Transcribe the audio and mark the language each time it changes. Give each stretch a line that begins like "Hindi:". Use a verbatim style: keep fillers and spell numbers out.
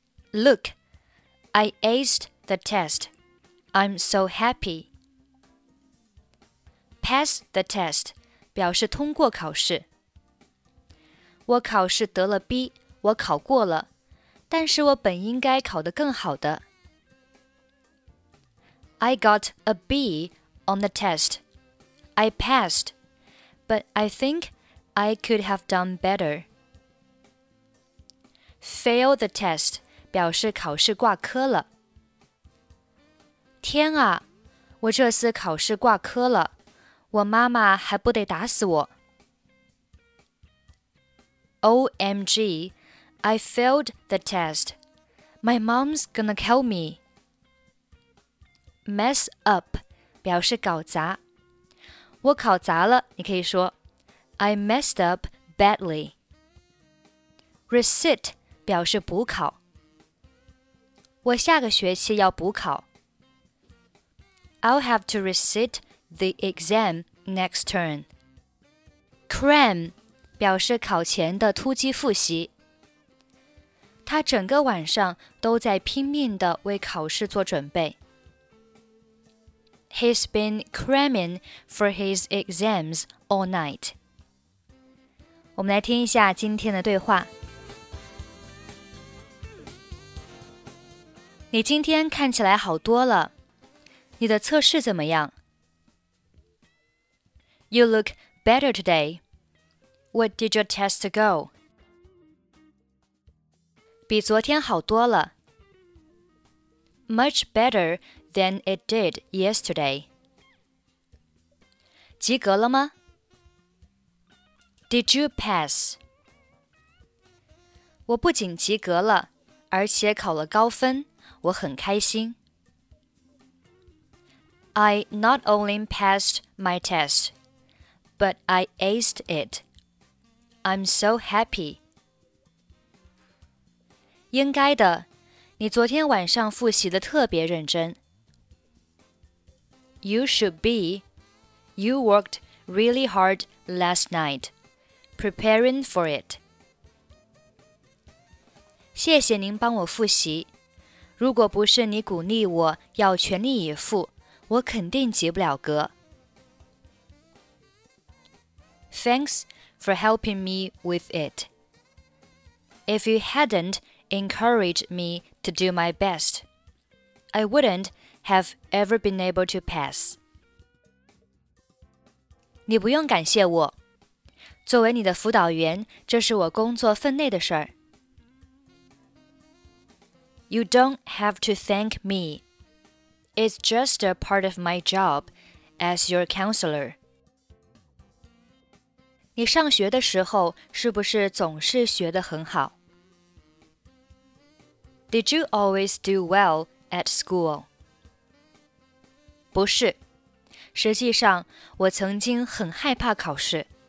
English: Look, I aced the test. I'm so happy. Pass the test
Chinese: 表示通过考试。我考试得了 B, 我考过了，但是我本应该考得更好的。
English: I got a B on the test. I passed, but I think I could have done better. Fail the test
Chinese: 表示考试挂科了。天啊，我这次考试挂科了，我妈妈还不得打死我。
English: O M G, I failed the test. My mom's gonna kill me. Mess up
Chinese: 表示搞砸。我考砸了，你可以说
English: I messed up badly.
Chinese: Resit 表示补考。我下个学期要补考。
English: I'll have to resit the exam next term.
Chinese: Cram 表示考前的突击复习。他整个晚上都在拼命地为考试做准备。
English: He's been cramming for his exams all night.
Chinese: 我们来听一下今天的对话。你今天看起来好多了。你的测试怎么样？
English: You look better today. What did your test go?
Chinese: 比昨天好多了。
English: Much better than it did yesterday.
Chinese: 及格了吗？
English: Did you pass?
Chinese: 我不仅及格了，而且考了高分，我很开心。
English: I not only passed my test, but I aced it. I'm so happy.
Chinese: 应该的，你昨天晚上复习得特别认真。
English: You should be. You worked really hard last night, preparing for it.
Chinese: 谢谢您帮我复习。如果不是你鼓励我要全力以赴，我肯定及不了格。
English: Thanks for helping me with it. If you hadn't encouraged me to do my best, I wouldn't have ever been able to pass.
Chinese: 你不用感谢我。作为你的辅导员，这是我工作分内的事儿。
English: You don't have to thank me. It's just a part of my job as your counselor.
Chinese: 你上学的时候是不是总是学得很好？
English: Did you always do well at school?
Chinese: 不是，实际上我曾经很害怕考试。